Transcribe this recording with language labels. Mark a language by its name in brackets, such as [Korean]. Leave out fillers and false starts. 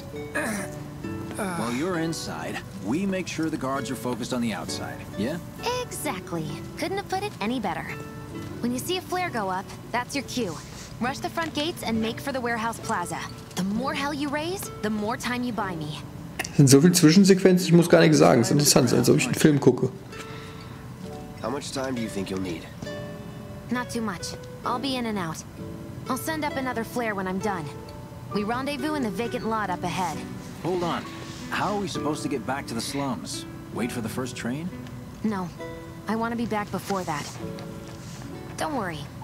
[English] While you're inside, we make sure the guards are focused on the outside, yeah? Exactly. Couldn't have put it any better. When you see a flare go up, that's your cue. Rush the front gates and make for the warehouse plaza. The more hell you raise, the more time you buy me. [German] Sind so viele Zwischensequenzen, ich muss gar nichts sagen. Es ist interessant, als ob ich einen Film gucke. [English] How much time do you think you'll need? Not too much. I'll be in and out. I'll send up another flare when I'm done. We rendezvous in the vacant lot up ahead. Hold on. How are we supposed to get back to the slums? Wait for the first train? No. I want to be back before that. Don't worry.